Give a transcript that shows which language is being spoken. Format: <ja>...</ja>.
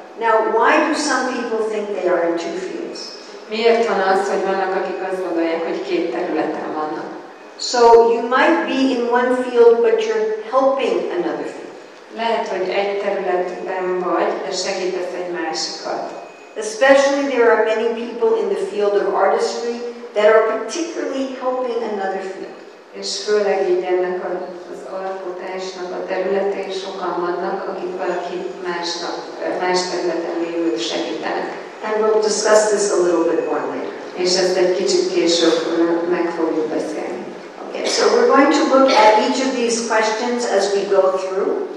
<en>Now, why do some people think they are in two fields?</en> <hu>Miért van az, hogy vannak, akik azt gondolják, hogy két területen vannak?</hu> <en>So you might be in one field, but you're helping another field.</en> <hu>Lehet, hogy egy területben vagy, de segítesz egy másikat.</hu> <en>Especially there are many people in the field of artistry that are particularly helping another field.</en> <hu>És főleg így ennek az alkotásnak a területén sokan vannak, akik valaki másnak, más területen lévőt segítenek.</hu> <en>And we'll discuss this a little bit more later.</en> <hu>És ezt egy kicsit később meg fogjuk beszélni.</hu> <en>Okay, so we're going to look at each of these questions as we go through.</en>